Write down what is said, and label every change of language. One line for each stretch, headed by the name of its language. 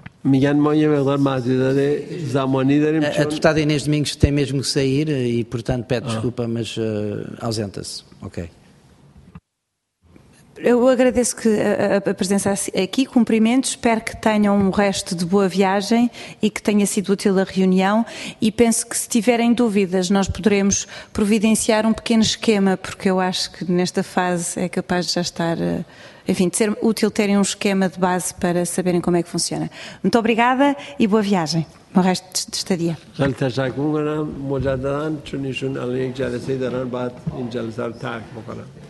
Persian: میگن ما یه مقدار محدودیت زمانی داریم چون...
Portuguese: deputada Inês Domingos tem mesmo que sair e portanto pede desculpa mas ausenta-se, ok. Eu agradeço que a presença aqui, cumprimento, espero que tenham um resto de boa viagem e que tenha sido útil a reunião e penso que se tiverem dúvidas nós poderemos providenciar um pequeno esquema, porque eu acho que nesta fase é capaz de já estar, enfim, de ser útil terem um esquema de base para saberem como é que funciona. Muito obrigada e boa viagem. O resto de estadia.
Persian: خیلی تشکر می‌کنم مجدداً چون ایشون الان یک جلسه دارن بعد این جلسه رو ترک می‌کنم.